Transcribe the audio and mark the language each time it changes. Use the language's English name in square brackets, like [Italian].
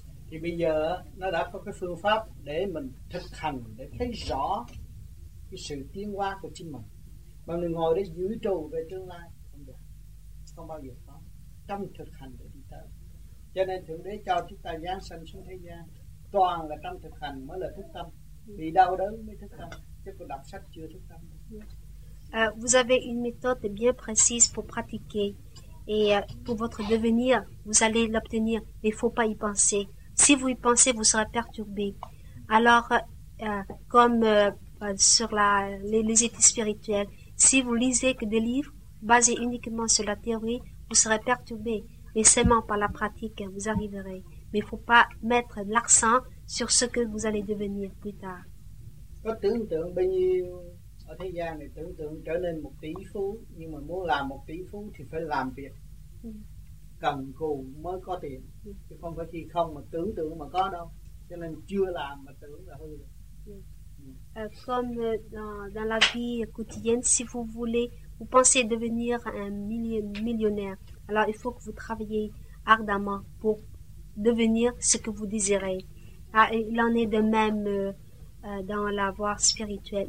[Vietnamese] Thì bây giờ nó đã có cái phương pháp để mình thực hành, để thấy rõ cái sự tiến hóa của chính mình. Mà mình ngồi để dự trù về tương lai không được, không bao giờ có. Trong thực hành để đi tới, cho nên Thượng Đế cho chúng ta giáng sanh xuống thế gian toàn là trong thực hành mới là thức tâm, vì đau đớn mới thức tâm, chứ còn đọc sách chưa thức tâm. [French] Vous avez une méthode bien précise pour pratiquer et pour votre devenir, vous allez l'obtenir, mais il ne faut pas y penser. Si vous y pensez, vous serez perturbé. Alors, comme sur les études spirituelles, si vous lisez que des livres basés uniquement sur la théorie, vous serez perturbé, mais seulement par la pratique, vous arriverez. Mais il ne faut pas mettre l'accent sur ce que vous allez devenir plus tard. [Vietnamese] Có tưởng tượng bao nhiêu ở thế gian này, tưởng tượng trở nên một tỷ phú, nhưng mà muốn làm một tỷ phú thì phải làm việc cần cù mới có tiền, chứ không phải khi không mà tưởng tượng mà có đâu. Cho nên chưa làm mà tưởng là hư rồi. [French] Comme dans la vie quotidienne, si vous voulez, vous pensez devenir un millionnaire, alors il faut que vous travaillez ardemment pour devenir ce que vous désirez. Il en est de même dans la voie spirituelle.